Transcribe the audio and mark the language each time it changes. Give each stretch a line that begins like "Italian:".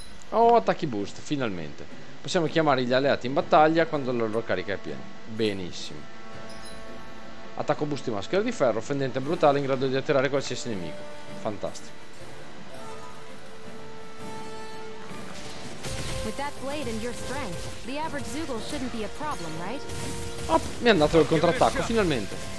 Italian: Oh, attacchi boost, finalmente. Possiamo chiamare gli alleati in battaglia quando la loro carica è piena. Benissimo. Attacco boost di maschera di ferro, fendente brutale in grado di atterrare qualsiasi nemico. Fantastico.
English: With that blade and your strength, the average Zoogle shouldn't be a problem, right?
Italian: Oh, mi è andato il contrattacco, finalmente.